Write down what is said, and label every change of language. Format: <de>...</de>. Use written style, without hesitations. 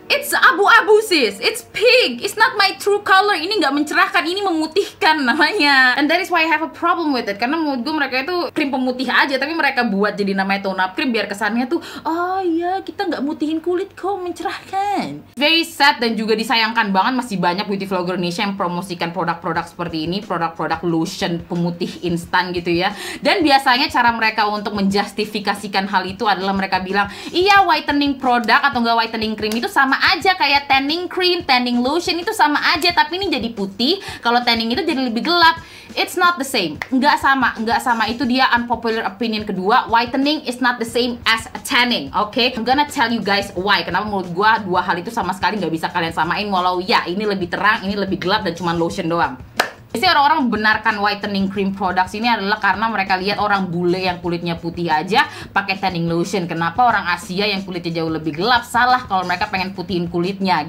<en>It's abu-abu sis, it's pink, it's not my true color.</en> <id>Ini gak mencerahkan, ini memutihkan namanya.</id> <en>And that is why I have a problem with it.</en> <id>Karena menurut gue mereka itu krim pemutih aja, tapi mereka buat jadi namanya tone up cream biar kesannya tuh, oh iya kita gak mutihin kulit kok, mencerahkan.</id> <en>Very sad</en> <id>dan juga disayangkan banget masih banyak beauty vlogger Indonesia yang promosikan produk-produk seperti ini, produk-produk lotion pemutih instan gitu ya. Dan biasanya cara mereka untuk menjustifikasikan hal itu adalah mereka bilang, iya whitening product atau gak whitening cream itu sama aja kayak tanning cream, tanning lotion itu sama aja, tapi ini jadi putih, kalau tanning itu jadi lebih gelap.</id> <en>It's not the same,</en> <id>nggak sama. Itu dia unpopular opinion kedua,</id> <en>whitening is not the same as tanning. Okay, I'm gonna tell you guys why,</en> <id>kenapa menurut gua dua hal itu sama sekali nggak bisa kalian samain, walau ya ini lebih terang, ini lebih gelap, dan cuman lotion doang. Jadi orang-orang membenarkan whitening cream products ini adalah karena mereka lihat orang bule yang kulitnya putih aja pakai tanning lotion. Kenapa orang Asia yang kulitnya jauh lebih gelap salah kalau mereka pengen putihin kulitnya?</id>